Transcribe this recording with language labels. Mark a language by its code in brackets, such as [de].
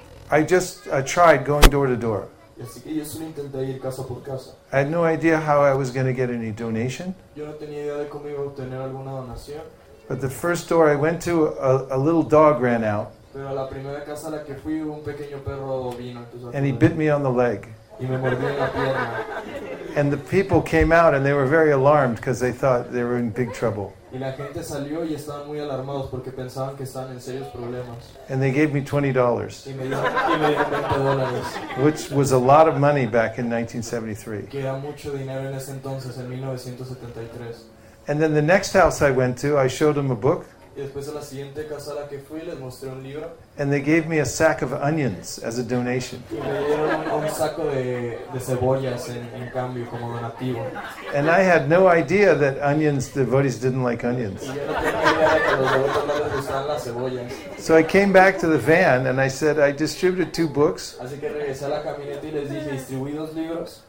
[en] And so I tried going door to door. [es] Así que yo solo intenté ir casa por casa. [en] I had no idea how I was going to get any donation. [es] Yo no tenía idea de cómo iba a obtener alguna donación. [en] But the first door I went to, a little dog ran out. [es] Pero a la primera casa a la que fui, un pequeño perro vino. [en] And he bit me on the leg. [es] Y me mordió en la pierna. [en] And the people came out and they were very alarmed because they thought they were in big trouble. [es] Y la gente salió y estaban muy alarmados porque pensaban que estaban en serios problemas. [en] And they gave me $20. [es] $20. [en] Which was a lot of money back in 1973. [es] Que era mucho dinero en ese entonces, en 1973. [en] And then the next house I went to, I showed them a book. [es] Y después a la siguiente casa a la que fui les mostré un libro. [en] And they gave me a sack of onions as a donation. [es] Y me dieron un saco de cebollas en cambio como donativo. [en] And I had no idea that onions, the devotees didn't like onions. [es] Y yo no tenía idea de que los devotos no les gustaban las cebollas. [en] So I came back to the van and I said, I distributed two books. [es] Así que regresé a la camioneta y les dije, distribuí dos libros.